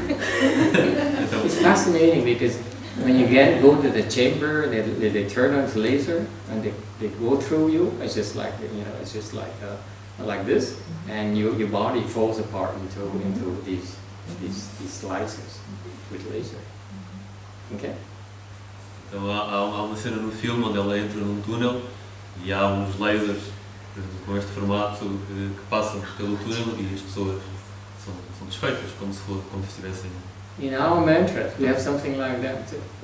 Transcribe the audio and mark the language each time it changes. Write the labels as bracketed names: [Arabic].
[English] It's fascinating because when you go to the chamber, they turn on the laser and they go through you. It's just like, you know, it's just like this, and your body falls apart into these slices with laser. Okay. [Portuguese] Então há uma cena no filme onde ela entra num túnel e há uns lasers com este formato que passam pelo túnel e as pessoas são desfeitas como se estivessem. [English] In our mantra, we have something like that too.